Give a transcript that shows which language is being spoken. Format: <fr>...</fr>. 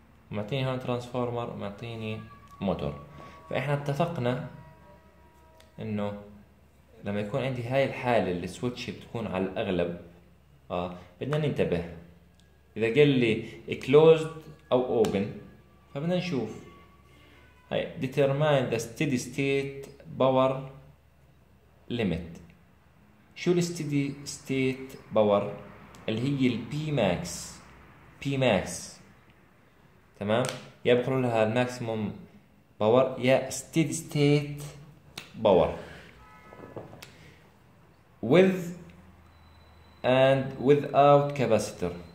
<ar>معطيني هون ترانسفورمر، معطيني موتور. فاحنا اتفقنا انه لما يكون عندي هاي الحالة اللي السويتش بتكون على الاغلب، بدنا ننتبه اذا قال لي closed او open. فبدنا نشوف هاي</ar> <en>determine the steady state power limit.</en> <ar>شو الستيدي ستيت باور؟ اللي هي البي ماكس، بي ماكس تمام، يا بيقولوا لها الماكسيموم باور يا ستيدي ستيت باور،</ar> <en>with and without</en> <ar>كاباسيتر.</ar>